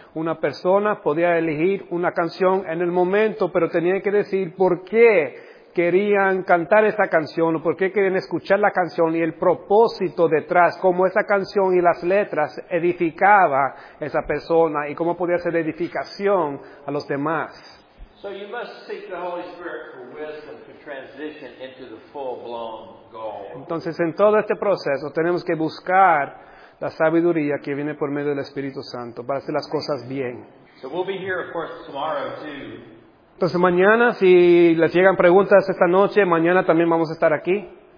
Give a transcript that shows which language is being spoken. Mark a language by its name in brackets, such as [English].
[Spanish] Una persona podía elegir una canción en el momento, pero tenía que decir por qué querían cantar esa canción o por qué querían escuchar la canción y el propósito detrás, cómo esa canción y las letras edificaba a esa persona y cómo podía ser edificación a los demás. [English] So you must seek the Holy Spirit for wisdom to transition into the full-blown goal. [Spanish] Entonces, en todo este proceso, tenemos que buscar la sabiduría que viene por medio del Espíritu Santo para hacer las cosas bien. [English] So we'll be here, of course, tomorrow too. [Spanish] Entonces mañana, si les llegan preguntas esta noche, mañana también vamos a estar aquí.